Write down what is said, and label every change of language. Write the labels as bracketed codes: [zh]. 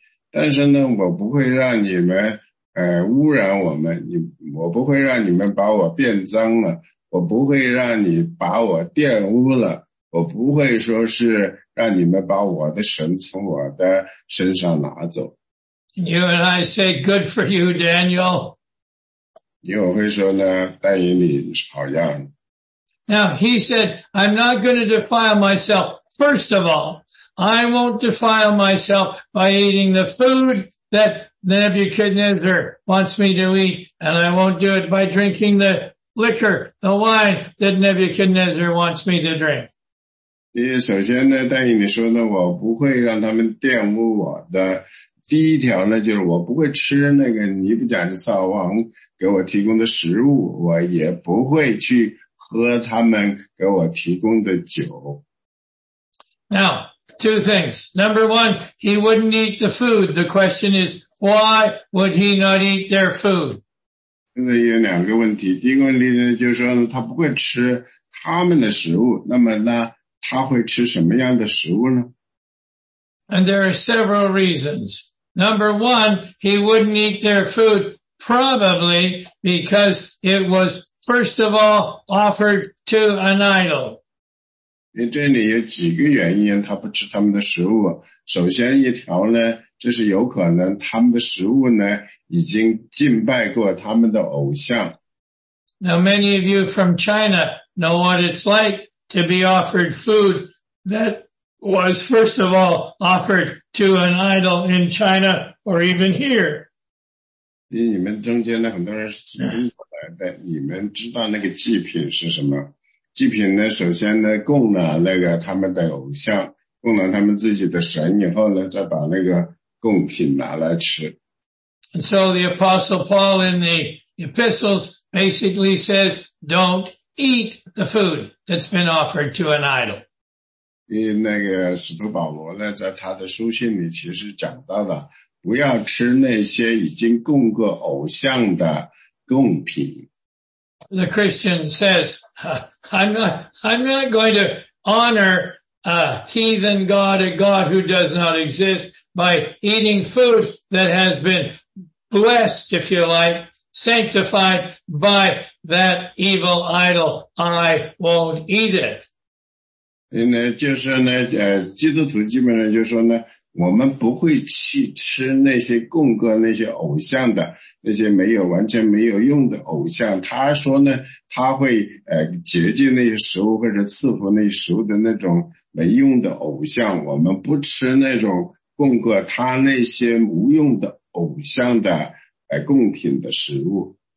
[zh] 但是呢我不会让你们污染我们，我不会让你们把我变脏了，我不会让你把我玷污了，我不会说是让你们把我的神从我的身上拿走。 [en] You and I say good for you, Daniel. [zh] 你我会说呢，戴英里好样。 [en] Now he said, I'm not going to defile myself, first of all. I won't defile myself by eating the food that Nebuchadnezzar wants me to eat, and I won't do it by drinking the liquor, the wine that Nebuchadnezzar wants me to drink. [zh] 首先呢，戴英里说呢，我不会让他们玷污我的。第一条呢，就是我不会吃那个尼布甲尼撒王给我提供的食物，我也不会去喝他们给我提供的酒。 [en] Now,two things. Number one, he wouldn't eat the food. The question is, why would he not eat their food? [zh] 现在有两个问题。第一个问题呢，就是说他不会吃他们的食物。那么呢，他会吃什么样的食物呢？ [en] And there are several reasons. Number one, he wouldn't eat their food, probably because it was, first of all, offered to an idol. [zh] 因为这里有几个原因他不吃他们的食物。首先一条呢，这是有可能他们的食物呢已经敬拜过他们的偶像。 [en] Now many of you from China know what it's like to be offered food that was first of all offered to an idol in China or even here. [zh] 因为你们中间呢很多人是中国来的，你们知道那个祭品是什么。祭品呢首先呢供了那个他们的偶像，供了他们自己的神以后呢，再把那个供品拿来吃。 [en] And so the Apostle Paul in the epistles basically says, don't eat the food that's been offered to an idol. [zh] 因为那个使徒保罗呢，在他的书信里其实讲到了，不要吃那些已经供过偶像的供品。 [en] The Christian says, I'm not going to honor a heathen God, a God who does not exist, by eating food that has been blessed, if you like, sanctified by that evil idol. I won't eat it. [zh] 就是呢，基督徒基本上就说呢，我们不会去吃那些供过那些偶像的，那些没有完全没有用的偶像。他说呢，他会洁净那些食物或者赐福那些食物的那种没用的偶像，我们不吃那种供过他那些无用的偶像的供品的食物。